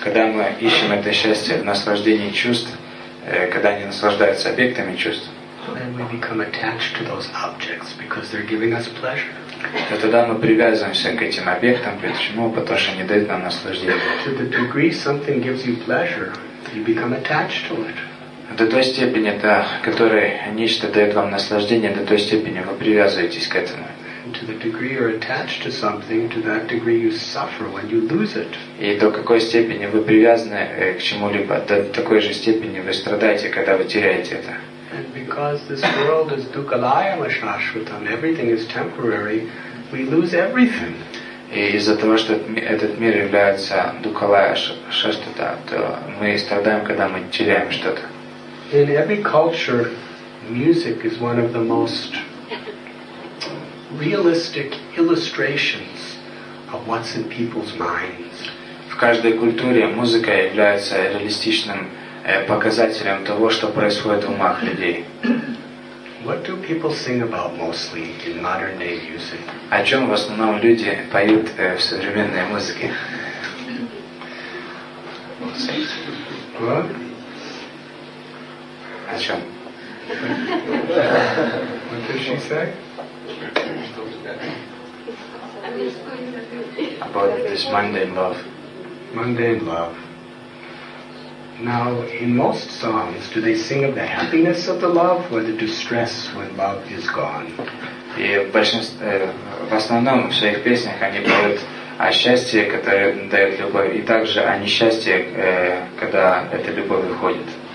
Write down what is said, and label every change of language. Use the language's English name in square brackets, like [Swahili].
[Russian] когда мы ищем это счастье в наслаждении чувств, когда они наслаждаются объектами чувств, [English] then we become attached to those objects because they're giving us pleasure. [Russian] И тогда мы привязываемся к этим объектам, почему? Потому что они дают нам наслаждение. [English] To the degree something gives you pleasure, you become attached to it. [Russian] До той степени, да, которой нечто дает вам наслаждение, до той степени вы привязываетесь к этому. [English] To the degree you're attached to something, to that degree you suffer when you lose it. [Russian] И до какой степени вы привязаны к чему-либо, до такой же степени вы страдаете, когда вы теряете это. [English] And because this world is dukkhalaya shashvatam, everything is temporary, we lose everything. [Russian] И из-за того, что этот мир является dukkhalaya shashvatam, то мы страдаем, когда мы теряем что-то. [English] In every culture, music is one of the most realistic illustrations of what's in people's minds. [Russian] В каждой культуре музыка является реалистичным показателем того, что происходит в умах людей. [English] What do people sing about mostly in modern day music? [Russian] О чем в основном люди поют в современной музыке? [English] What? [Russian] О чем? [English] What did she say? About this mundane love. Mundane love. Now, in most songs, do they sing of the happiness of the love or the distress when love is gone? [Russian] И в основном в своих песнях они поют о счастье, которое дает любовь, и также о несчастье, когда эта любовь уходит.